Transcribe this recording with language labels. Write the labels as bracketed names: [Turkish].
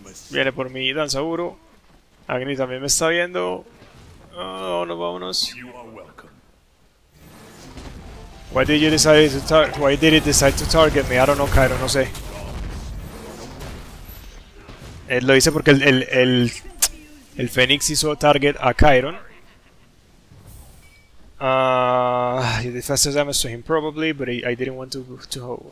[Spanish] Viene por mi Danzaburo. Agni también me está viendo. Vámonos, vámonos. [English] Why did it decide to target me? I don't know, Cairo, [Spanish] no sé. Él lo dice porque el Fénix hizo target a Chiron. [English] The fastest damage to him probably, but I didn't want to hold.